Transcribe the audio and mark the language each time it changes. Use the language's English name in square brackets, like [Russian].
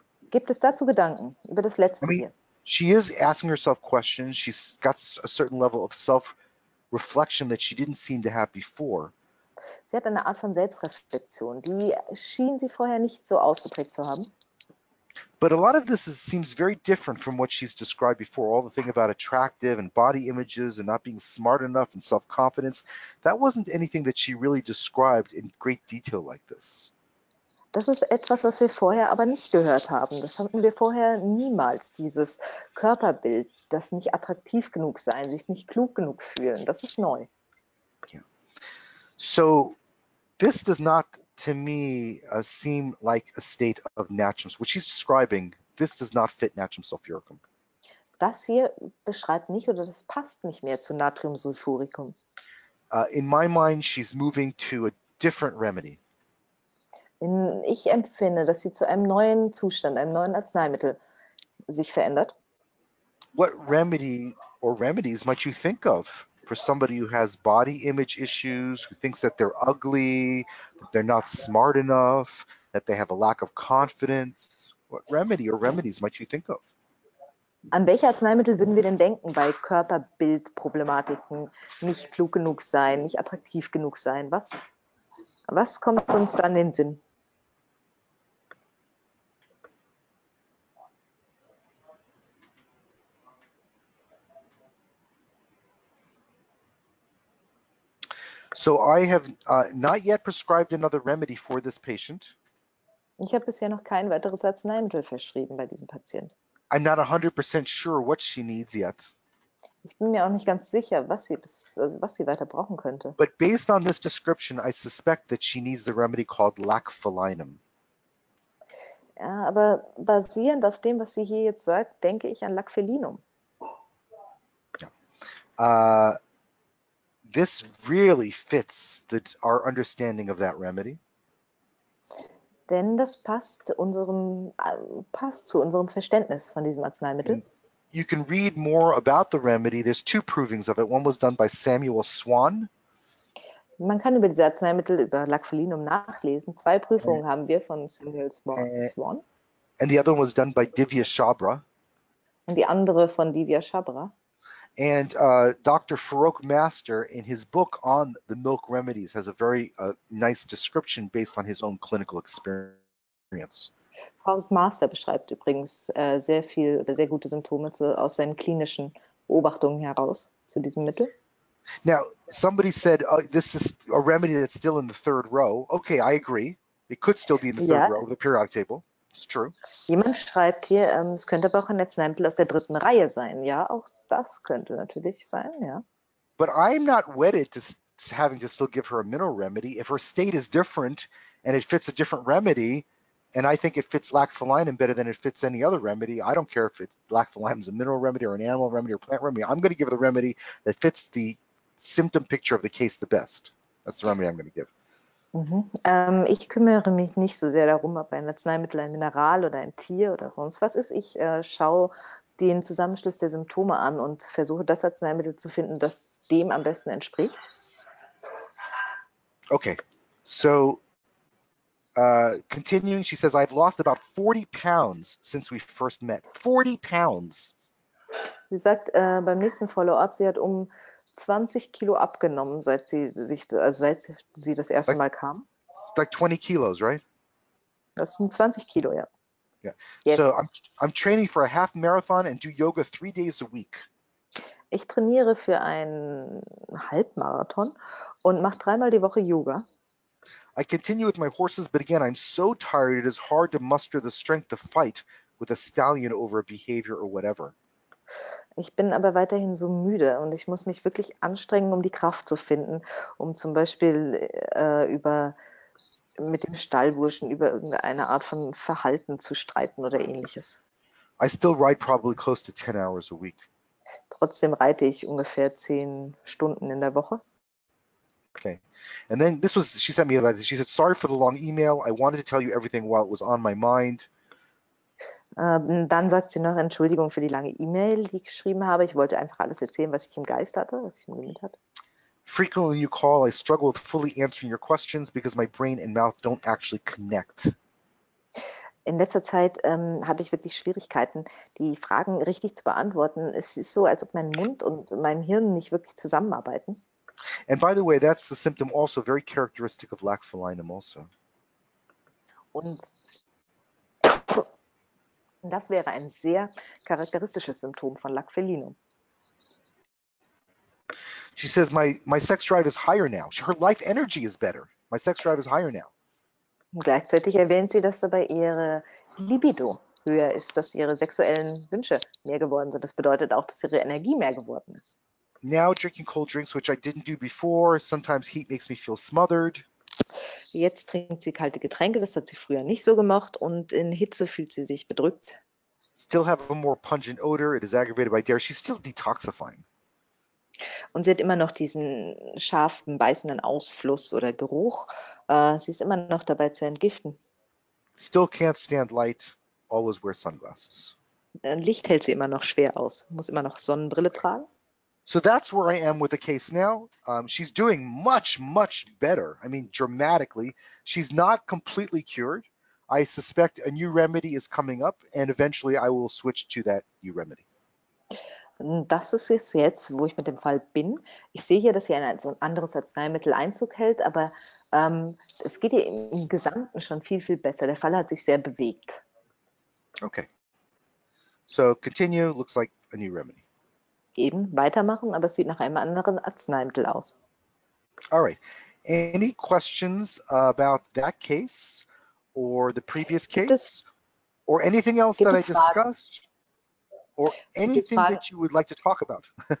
[German] Gibt es dazu Gedanken über das [English] I [German] Letzte [English] mean, [German] hier? [English] she is asking herself questions. She's got a certain level of self-reflection that she didn't seem to have before. [German] Sie hat eine Art von Selbstreflexion, die schien sie vorher nicht so ausgeprägt zu haben. [English] But a lot of this seems very different from what she's described before. All the thing about attractive and body images and not being smart enough and self-confidence, that wasn't anything that she really described in great detail like this. [German] Das ist etwas, was wir vorher aber nicht gehört haben. Das hatten wir vorher niemals, dieses Körperbild, das nicht attraktiv genug sein, sich nicht klug genug fühlen. Das ist neu. [English] So this does not to me seem like a state of natrum. What she's describing, this does not fit natrum sulfuricum. [German] Das hier beschreibt nicht oder das passt nicht mehr zu Natriumsulfuricum. [English] In my mind, she's moving to a different remedy. [German] Ich empfinde, dass sie zu einem neuen Zustand, einem neuen Arzneimittel sich verändert. [English] What remedy or remedies might you think of? For somebody who has body image issues, who thinks that they're ugly, that they're not smart enough, that they have a lack of confidence, what remedy or remedies might you think of? [German] An welche Arzneimittel würden wir denn denken bei Körperbildproblematiken, nicht klug genug sein, nicht attraktiv genug sein? Was kommt uns dann in den Sinn? [English] So I have not yet prescribed another remedy for this patient. [German] Ich habe bisher noch kein weiteres Arzneimittel verschrieben bei diesem Patienten. [English] I'm not 100% sure what she needs yet. [German] Ich bin mir auch nicht ganz sicher, was sie bis, also was sie weiter brauchen könnte. [English] But based on this description, I suspect that she needs the remedy called lacfalinum. [German] Ja, aber basierend auf dem, was sie hier jetzt sagt, denke ich an Lacfellinum. [English] This really fits our understanding of that remedy. [German] Denn das passt zu unserem Verständnis von diesem Arzneimittel. [English] And you can read more about the remedy. There's two provings of it. One was done by Samuel Swan. [German] Man kann über diese Arzneimittel, über Lacfellinum nachlesen. Zwei Prüfungen haben wir von Samuel Swan. [English] And the other one was done by Divya Chabra. [German] Und die andere von Divya Chabra. [English] And Dr. Farooq Master, in his book on the milk remedies, has a very nice description based on his own clinical experience. [German] Frau Master beschreibt übrigens sehr viel oder sehr gute Symptome aus seinen klinischen Beobachtungen heraus zu diesem Mittel. [English] Now, somebody said this is a remedy that's still in the third row. Okay, I agree. It could still be in the third [German] Ja. [English] row of the periodic table. It's true. [German] Jemand schreibt hier, es könnte aber auch ein Arzneimittel aus der dritten Reihe sein. Ja, auch das könnte natürlich sein, ja. [English] But I'm not wedded to having to still give her a mineral remedy. If her state is different and it fits a different remedy, and I think it fits lacfalinum better than it fits any other remedy, I don't care if it's lacfalinum is a mineral remedy or an animal remedy or plant remedy. I'm going to give her the remedy that fits the symptom picture of the case the best. That's the remedy I'm going to give. [German] Ich kümmere mich nicht so sehr darum, ob ein Arzneimittel ein Mineral oder ein Tier oder sonst was ist. Ich schaue den Zusammenschluss der Symptome an und versuche, das Arzneimittel zu finden, das dem am besten entspricht. [English] Okay, so continuing, she says, I've lost about 40 pounds since we first met. 40 pounds. [German] Sie sagt beim nächsten Follow-up, sie hat um 20 Kilo abgenommen, seit sie sich, also seit sie das erste Mal kam. [English] Like 20 kilos, right? [German] Das sind 20 Kilo, ja. [English] Yeah. [German] Jetzt. [English] So I'm training for a half marathon and do yoga 3 days a week. [German] Ich trainiere für einen Halbmarathon und mache dreimal die Woche Yoga. [English] I continue with my horses, but again, I'm so tired, it is hard to muster the strength to fight with a stallion over a behavior or whatever. [German] Ich bin aber weiterhin so müde und ich muss mich wirklich anstrengen, um die Kraft zu finden, um zum Beispiel über mit dem Stallburschen über irgendeine Art von Verhalten zu streiten oder ähnliches. [English] I still ride probably close to 10 hours a week. [German] Trotzdem reite ich ungefähr 10 Stunden in der Woche. [English] Okay. And then this was, she sent me a letter. She said, sorry for the long email. I wanted to tell you everything while it was on my mind. [German] Dann sagt sie noch Entschuldigung für die lange E-Mail, die ich geschrieben habe. Ich wollte einfach alles erzählen, was ich im Geist hatte, was ich im Gemüt hatte. [English] Frequently you call, I struggle with fully answering your questions because my brain and mouth don't actually connect. [German] In letzter Zeit hatte ich wirklich Schwierigkeiten, die Fragen richtig zu beantworten. Es ist so, als ob mein Mund und mein Hirn nicht wirklich zusammenarbeiten. [English] And by the way, that's the symptom also very characteristic of lacfalinum also. [German] Und das wäre ein sehr charakteristisches Symptom von Lacfellinum. [English] She says my sex drive is higher now. Her life energy is better. My sex drive is higher now. [German] Gleichzeitig erwähnt sie, dass dabei ihre Libido höher ist, dass ihre sexuellen Wünsche mehr geworden sind. Das bedeutet auch, dass ihre Energie mehr geworden ist. [English] Now drinking cold drinks, which I didn't do before. Sometimes heat makes me feel smothered. [German] Jetzt trinkt sie kalte Getränke, das hat sie früher nicht so gemacht und in Hitze fühlt sie sich bedrückt. [English] Still have a more pungent odor. It is aggravated by dairy. She's still detoxifying. [German] Und sie hat immer noch diesen scharfen, beißenden Ausfluss oder Geruch. Sie ist immer noch dabei zu entgiften. [English] Still can't stand light. Always wear sunglasses. [German] Licht hält sie immer noch schwer aus, muss immer noch Sonnenbrille tragen. [English] So that's where I am with the case now. She's doing much, much better. I mean, dramatically. She's not completely cured. I suspect a new remedy is coming up, and eventually I will switch to that new remedy. [German] Das ist es jetzt, wo ich mit dem Fall bin. Ich sehe hier, dass sie ein anderes Arzneimittel Einzug hält, aber es geht ihr im Gesamten schon viel, viel besser. Der Fall hat sich sehr bewegt. [English] Okay. So continue. Looks like a new remedy. [German] Eben weitermachen, aber es sieht nach einem anderen Arzneimittel aus. [English] All right. Any questions about that case or the previous case or anything else that I discussed or anything that you would like to talk about?